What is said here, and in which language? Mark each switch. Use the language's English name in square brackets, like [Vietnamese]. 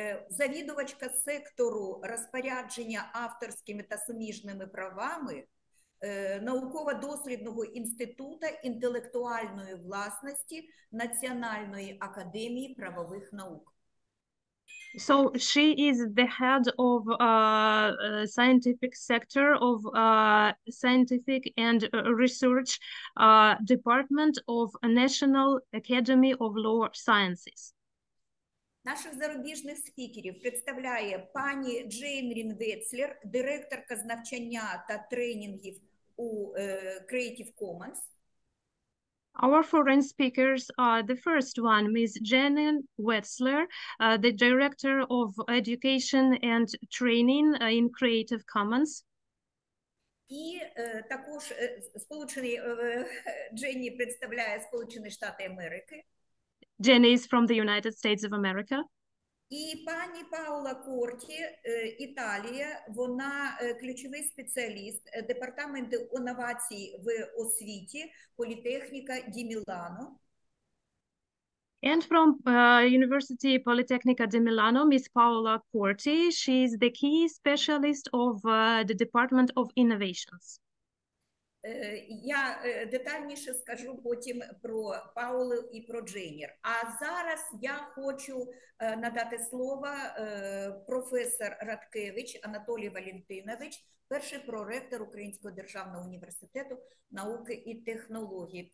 [Ukrainian] Завідувачка сектору розпорядження авторськими та суміжними правами Науково-дослідного інституту інтелектуальної власності Національної академії правових наук. [English] So she is the head of scientific sector of scientific and research department of National Academy of Law Sciences. [Ukrainian] Наших зарубіжних спікерів представляє пані Джейн Рінвецлер, директорка з навчання та тренінгів у Creative Commons. [English] Our foreign speakers are the first one, Ms. Janin Wetzler, the Director of Education and Training in Creative Commons. [Ukrainian] І також сполучені Дженні представляє Сполучені Штати Америки. [English] Jenny is from the United States of America. [Ukrainian] І пані Паула Корті, Італія, вона ключовий спеціаліст департаменту інновацій в освіті Політехніка ді Мілано. [English] And from University Politecnica di Milano, Ms. Paola Corti, she is the key specialist of the Department of Innovations. [Ukrainian] Я детальніше скажу потім про Паулу і про Дженнер. А зараз я хочу надати слово професор Радкевич Анатолій Валентинович, перший проректор Українського державного університету науки і технологій.